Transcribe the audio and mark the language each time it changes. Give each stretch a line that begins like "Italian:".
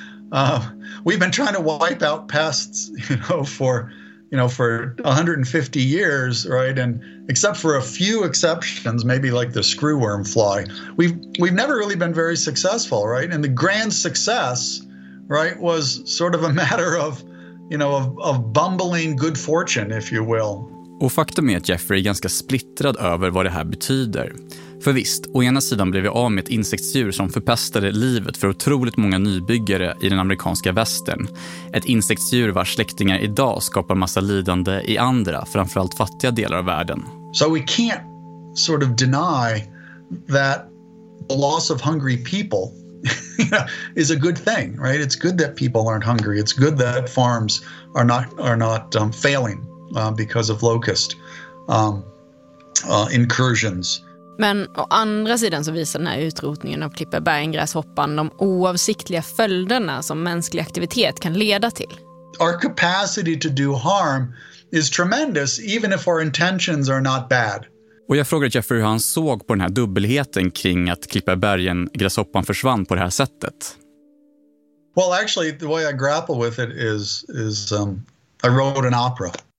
English: That we've been trying to wipe out pests, for 150 years, right? And except for a few exceptions, maybe like the screwworm fly, we've never really been very successful, right? And the grand success, right, was sort of a matter of, you know, of bumbling good fortune, if you will.
Swedish: Och faktum är att Jeffrey är ganska splittrad över vad det här betyder. För visst, å ena sidan blev vi av med ett insektsdjur som förpestade livet för otroligt många nybyggare i den amerikanska västern. Ett insektsdjur vars släktingar idag skapar massa lidande i andra, framförallt fattiga delar av världen.
English: So we can't sort of deny that the loss of hungry people is a good thing, right? It's good that people aren't hungry. It's good that farms are not failing because of locust incursions.
Swedish: Men å andra sidan så visar den här utrotningen av klipperbäringräshoppan de oavsiktliga följderna som mänsklig aktivitet kan leda till.
English: Our capacity to do harm is tremendous, even if our intentions are not bad.
Swedish: Och jag frågade Jeffrey hur han såg på den här dubbelheten kring att klipperbäringräshoppan försvann på det här sättet.
English: Well, actually, the way I grapple with it is I wrote an opera.